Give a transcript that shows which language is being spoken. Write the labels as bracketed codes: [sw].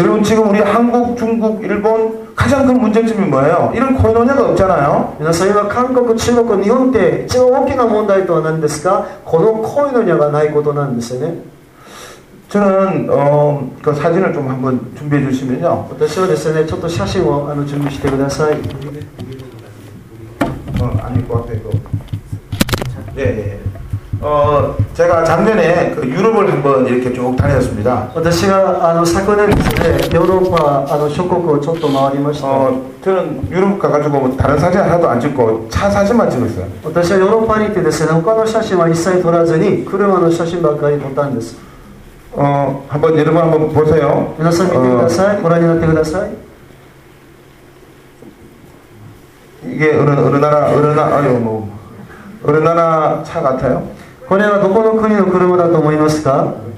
[ko] 여러분지금우리한국중국일본가장큰문제점이뭐예요이런코이노니아가없잖아요 [ja] 皆さん今韓国中国日本って一番大きな問題とは何ですか。このコイノニアがないことなんですよね。 [ko] 저는그사진을좀한번준비해주시면요 [ja] 私はですね、ちょっと写真を準備してください。 [ko] 아닐것같아요네제가작년에그유럽을한번이렇게쭉다녔습니다 [ja] 私が昨年ですね、ヨーロッパ諸国をちょっと回りました。 [ko] 저는유럽가가지고다른사진하나도안찍고차사진만찍었어요 [ja] 私はヨーロッパに行ってですね、他の写真は一切撮らずに車の写真ばっかり撮ったんです。 [ko] 한번여러분한번보세요 [ja] 皆さん見てください。ご覧になってください。 [ko] 이게어느나라차같아요 [ja] これはどこの国の車だと思いますか。